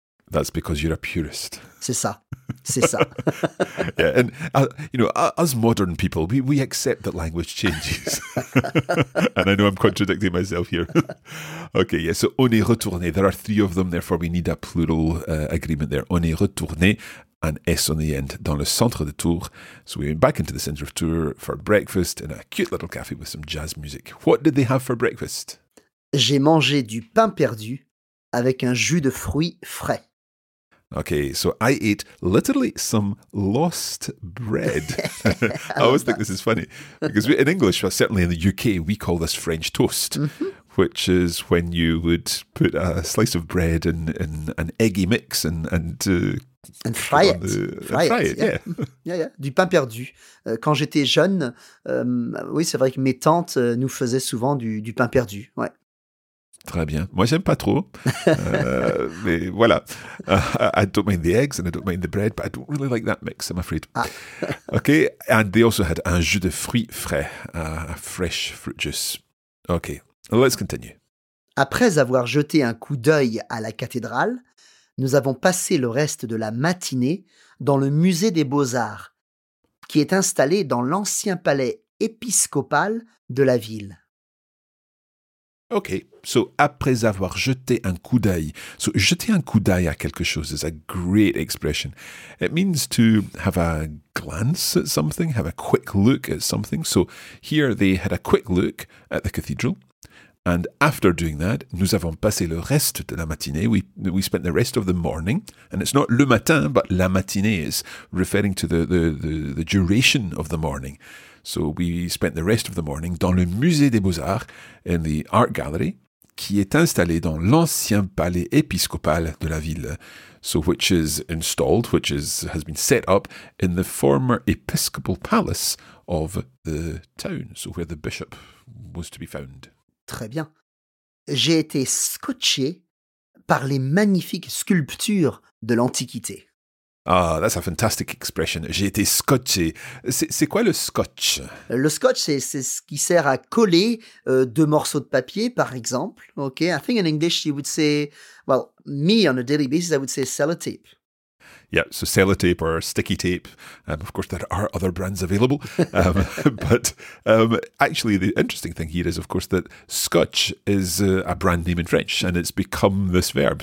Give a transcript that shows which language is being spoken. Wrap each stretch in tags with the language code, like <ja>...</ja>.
<en>That's because you're a purist.</en> <fr>C'est ça. C'est ça.</fr> <en>Yeah, and, you know, as modern people, we accept that language changes. And I know I'm contradicting myself here. Okay, yeah, so</en> <fr>on est retourné.</fr> <en>There are three of them, therefore we need a plural agreement there.</en> <fr>On est retourné,</fr> <en>an S on the end,</en> <fr>dans le centre de Tours.</fr> <en>So we went back into the centre of Tours for breakfast in a cute little cafe with some jazz music. What did they have for breakfast?</en> <fr>J'ai mangé du pain perdu avec un jus de fruits frais.</fr> <en>Okay, so I ate literally some lost bread. I always think this is funny because in English, well, certainly in the UK, we call this French toast, mm-hmm. which is when you would put a slice of bread in an eggy mix and fry it. Fry it, yeah.</en> <fr>Du pain perdu. Quand j'étais jeune, oui, c'est vrai que mes tantes nous faisaient souvent du pain perdu, ouais. Très bien. Moi, j'aime pas trop. mais voilà.</fr> <en>I don't mind the eggs and I don't mind the bread, but I don't really like that mix, I'm afraid. Ah. Okay, and they also had</en> <fr>un jus de fruits frais,</fr> <en>a fresh fruit juice. Okay, let's continue.</en> <fr>Après avoir jeté un coup d'œil à la cathédrale, nous avons passé le reste de la matinée dans le musée des Beaux-Arts, qui est installé dans l'ancien palais épiscopal de la ville.</fr> <en>OK.</en> <fr>So, après avoir jeté un coup d'œil. So, jeter un coup d'œil à quelque chose</fr> <en>is a great expression. It means to have a glance at something, have a quick look at something. So, here they had a quick look at the cathedral. And after doing that,</en> <fr>nous avons passé le reste de la matinée.</fr> <en>We spent the rest of the morning. And it's not le matin, but la matinée is referring to the duration of the morning. So we spent the rest of the morning</en> <fr>dans le musée des Beaux-Arts,</fr> <en>in the art gallery,</en> <fr>qui est installé dans l'ancien palais épiscopal de la ville.</fr> <en>So which is installed, which is has been set up in the former episcopal palace of the town, so where the bishop was to be found.</en> <fr>Très bien. J'ai été scotché par les magnifiques sculptures de l'Antiquité.</fr> <en>Ah, that's a fantastic expression.</en> <fr>J'ai été scotché. C'est quoi le scotch? Le scotch, c'est ce qui sert à coller deux morceaux de papier, par exemple.</fr> <en>Okay, I think in English you would say, well, me on a daily basis, I would say sellotape. Yeah, so sellotape or sticky tape. Of course, there are other brands available. but actually, the interesting thing here is, of course, that scotch is a brand name in French, and it's become this verb.</en>